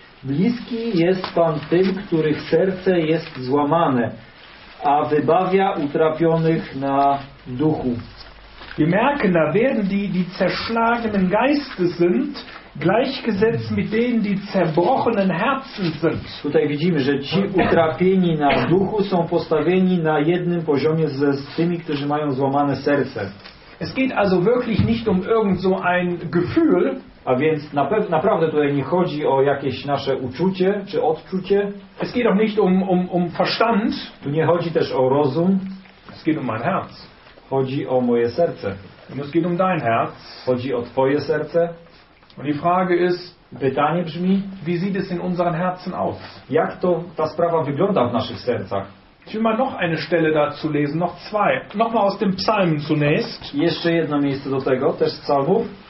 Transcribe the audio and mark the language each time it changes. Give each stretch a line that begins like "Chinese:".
Polish: Bliski jest Pan tym, których serce jest złamane, a wybawia utrapionych na duchu.
German: Wir merken, da werden die zerschlagenen Geistes sind, gleichgesetzt mit denen, die zerbrochenen Herzen sind.
Polish: Tutaj widzimy, że ci utrapieni na duchu są postawieni na jednym poziomie ze z tymi, którzy mają złamane serce.
German: Es geht also wirklich nicht um irgend so ein Gefühl.
Polish: A więc naprawdę tutaj nie chodzi o jakieś nasze uczucie czy odczucie.
German: Es geht auch nicht um Verstand.
Polish: Tu nie chodzi też o rozum.
German: Es geht um mein Herz.
Polish: Chodzi o moje serce.
German: Und es geht um dein Herz.
Polish: Chodzi o twoje serce.
German: Und die Frage ist,
Polish: pytanie brzmi,
German: wie sieht es in unseren Herzen aus?
Polish: Jak to ta sprawa wygląda w naszych sercach?
German: Ich will mal noch eine Stelle dazu lesen, noch zwei. Nochmal aus dem Psalm zunächst.
Polish: Jeszcze jedno miejsce do tego, też z Psalmów.